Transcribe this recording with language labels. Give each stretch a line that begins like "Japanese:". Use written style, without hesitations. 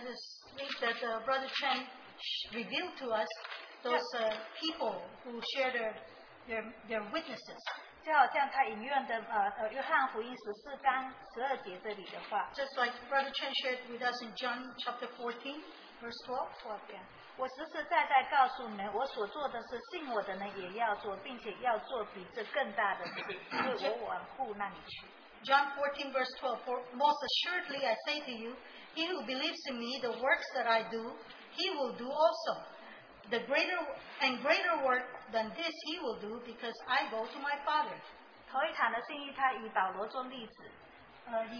English: just think that brother Chen revealed to us those people who share their witnesses.
Chinese: 就好像他引用的约翰福音十四章十二节这里的话
English: Just like Brother Chen shared with us in John chapter 14, verse 12
Chinese: 我实实在在告诉你们，我所做的事，信我的人也要做，并且要做比这更大的事，因为我往父那里去。
English: John 14, verse 12 For most assuredly I say to you, he who believes in me, the works that I do, he will do also. The greater and greater work than this he will do, because I go to my Father.
Chinese: 头一堂的信息，他以保罗做例子。He